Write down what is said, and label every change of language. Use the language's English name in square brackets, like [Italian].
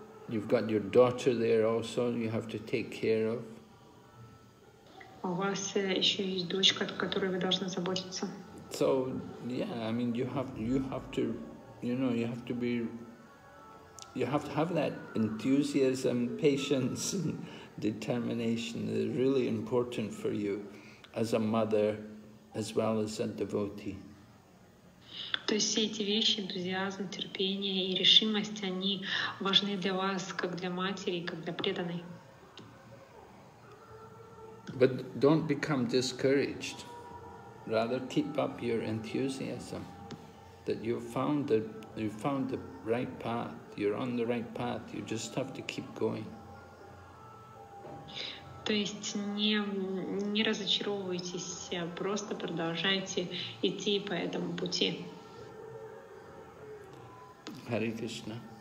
[English] You've got your daughter there also, you have to take care of. [Russian] У вас еще есть дочка, о которой вы должны заботиться. [English] So yeah, I mean you have to have that enthusiasm, patience, and determination. It's really important for you as a mother, as well as a devotee. [Russian] То есть все эти вещи, энтузиазм, терпение и решимость, они важны для вас как для матери, как для преданной. [English] But don't become discouraged. Rather keep up your enthusiasm that you found the right path. You're on the right path. You just have to keep going. [Russian] То есть не разочаровывайтесь, просто продолжайте идти по этому пути. [English] Hare Krishna.